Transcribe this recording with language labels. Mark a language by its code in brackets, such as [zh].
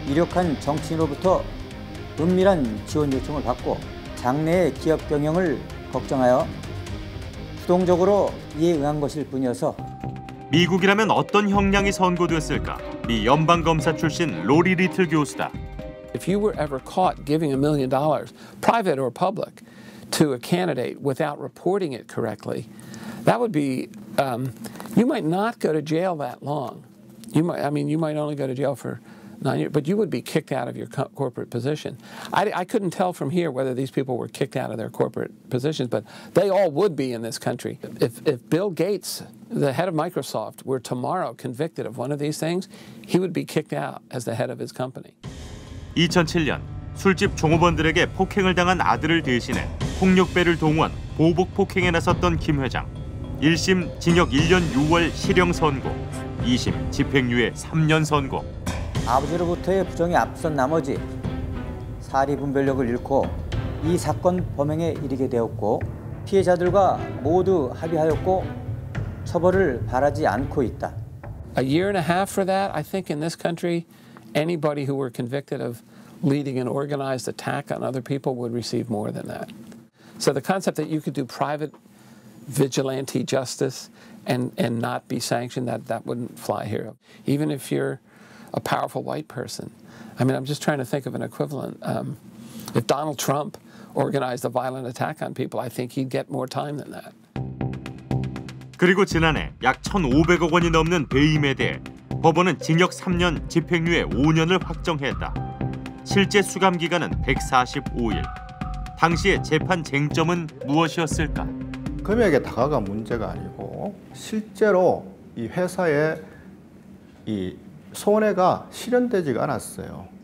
[ko] 유력한 정치인으로부터 은밀한 지원 요청을 받고 장래의 기업 경영을 걱정하여 부동적으로 이에 응한 것일 뿐이어서. 미국이라면 어떤 형량이 선고됐을까? 미 연방 검사 출신 로리 리틀 교수다. [en] If you were ever caught giving $1 million, private or public, to a candidate without reporting it correctly, that would be, you might not go to jail that long. You might only go to jail for 9 years, but you would be kicked out of your corporate position. I couldn't tell from here whether these people were kicked out of their corporate positions, but they all would be in this country. If Bill Gates, the head of Microsoft, were tomorrow convicted of one of these things, he would be kicked out as the head of his company. [ko] 2007년 술집 종업원들에게 폭행을 당한 아들을 대신해 폭력배를 동원 보복 폭행에 나섰던 김 회장. 1심 징역 1년 6월 실형 선고, 2심 집행유예 3년 선고. 아버지로부터의 부정이 앞선 나머지 사리 분별력을 잃고 이 사건 범행에 이르게 되었고 피해자들과 모두 합의하였고 처벌을 바라지 않고 있다. [en] A year and a half for that, I think in this country, anybody who were convicted of leading an organized attack on other people would receive more than that. So the concept that you could do private vigilante justice and not be sanctioned, that wouldn't fly here. Even if you're a powerful white person. I mean, I'm just trying to think of an equivalent. If Donald Trump organized a violent attack on people, I think he'd get more time than that. [ko] 그리고 지난해 약 1,500억 원이 넘는 배임에 대해 법원은 징역 3년, 집행유예 5년을 확정했다. 실제 수감 기간은 145일. 당시의 재판 쟁점은 무엇이었을까? 금액의 다가가 문제가 아니고 실제로 이 회사의 이 손해가 실현되지가 않았어요.